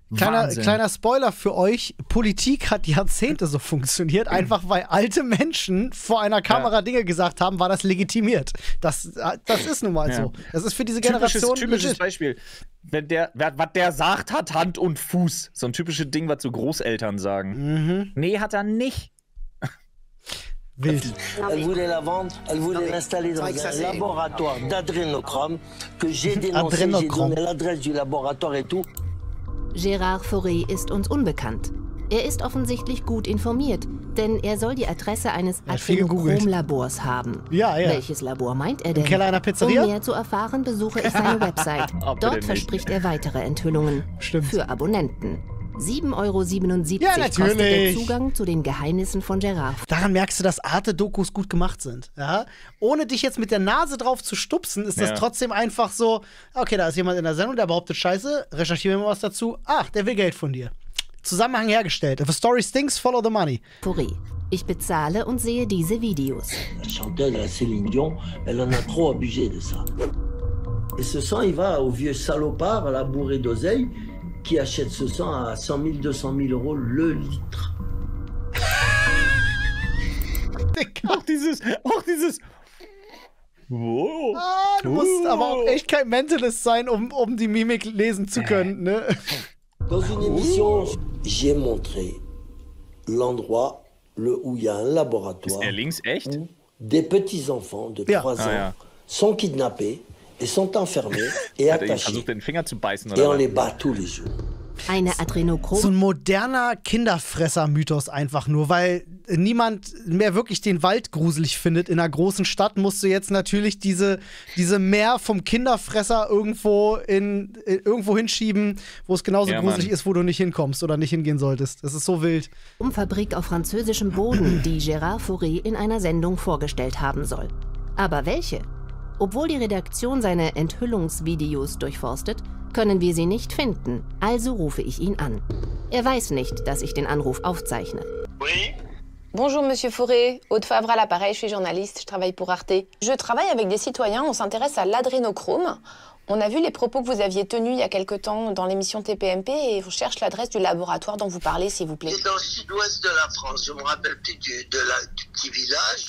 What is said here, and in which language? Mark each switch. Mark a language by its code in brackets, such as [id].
[de] Kleiner Spoiler für euch, Politik hat Jahrzehnte so funktioniert, einfach weil alte Menschen vor einer Kamera Dinge gesagt haben, war das legitimiert. Das ist nun mal so. Das ist für diese Generation typisches Beispiel. Wenn was der sagt, hat Hand und Fuß. So ein typisches Ding, was so Großeltern sagen. Mhm. Nee, hat er nicht. Wild. [fr] Elle voulait la vendre, elle voulait l'installer dans un laboratoire d'adrénochrome que j'ai dénoncé, j'ai donné l'adresse du laboratoire et tout. [de] Gérard Fauré ist uns unbekannt. Er ist offensichtlich gut informiert, denn er soll die Adresse eines Adrenochrom-Labors haben. Ja. Welches Labor meint er denn? Im Keller einer Pizzeria? Um mehr zu erfahren, besuche ich seine Website. Dort verspricht er weitere Enthüllungen. Stimmt. Für Abonnenten. 7,77 € kostet der Zugang zu den Geheimnissen von Gérard. Daran merkst du, dass Arte-Dokus gut gemacht sind. Ja? Ohne dich jetzt mit der Nase drauf zu stupsen, ist das trotzdem einfach so, okay, da ist jemand in der Sendung, der behauptet Scheiße, recherchieren wir mal was dazu. Ach, der will Geld von dir. Zusammenhang hergestellt. [en] If a story stinks, follow the money. [de] Fauré. Ich bezahle und sehe diese Videos. [fr] La chanteuse, la Céline Dion, elle en a trop abusé de ça. Et ce sang, il va au vieux salopard, à la bourrée d'oseille, qui achète ce sang à 100 000, 200 000 € le litre. [de] Auch dieses. Wow. Ah, du musst aber auch echt kein Mentalist sein, um die Mimik lesen zu können, ne? [fr] Dans une émission, j'ai montré l'endroit où il y a un laboratoire. [de] Ist er links, echt? [fr] Où des petits enfants de 3 ans sont kidnappés. Sont enfermés et attachés. [de] Versucht, den Finger zu beißen, [fr] oder? Et on les bat tous les jours. [de] Eine Adrenochrom. So ein moderner Kinderfresser-Mythos einfach nur, weil niemand mehr wirklich den Wald gruselig findet. In einer großen Stadt musst du jetzt natürlich diese Meer vom Kinderfresser irgendwo irgendwo hinschieben, wo es genauso gruselig ist, wo du nicht hinkommst oder nicht hingehen solltest. Das ist so wild. Um Fabrik auf französischem Boden, die Gérard Fauré in einer Sendung vorgestellt haben soll. Aber welche? Obwohl die Redaktion seine Enthüllungsvideos durchforstet, können wir sie nicht finden, also rufe ich ihn an. Er weiß nicht, dass ich den Anruf aufzeichne. [fr] Oui? Bonjour Monsieur Fauré, Aude Favre à l'appareil, je suis journaliste, je travaille pour Arte. Je travaille avec des citoyens, on s'intéresse à l'adrénochrome. On a vu les propos que vous aviez tenus il y a quelque temps dans l'émission TPMP et on cherche l'adresse du laboratoire dont vous parlez, s'il vous plaît. C'est dans le sud-ouest de la France, je me rappelle plus du petit village.